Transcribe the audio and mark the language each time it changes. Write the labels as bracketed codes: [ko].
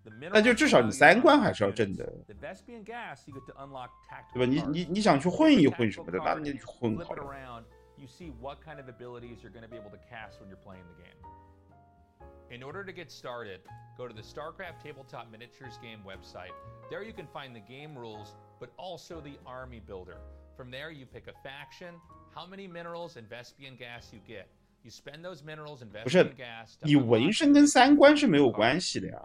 [zh] 那就至少你三观还是要正的，对吧？你想去混一混什么的，那你去混好了。 [en] You see what kind of abilities you're going to be able to cast when you're playing the game. In order to get started, go to the StarCraft Tabletop Miniatures Game website. There you can find the game rules, but also the army builder. From there, you pick a faction, how many minerals and Vespian gas you get. You spend those minerals and Vespian gas. [zh] 不是，你纹身跟三观是没有关系的呀。